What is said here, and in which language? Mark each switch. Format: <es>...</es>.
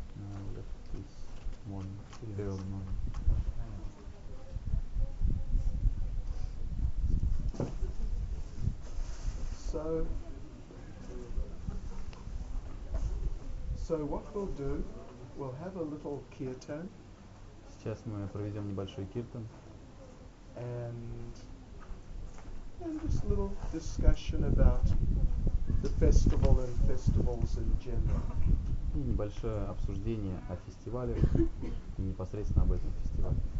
<en>No, I left this morning, early morning. So what we'll do, we'll have a little kirtan.</en> <ru>Сейчас мы проведем небольшой киртан.</ru> <en>And this little discussion about the festival and festivals in general.</en> <ru>И небольшое обсуждение о фестивале и непосредственно об этом фестивале.</ru>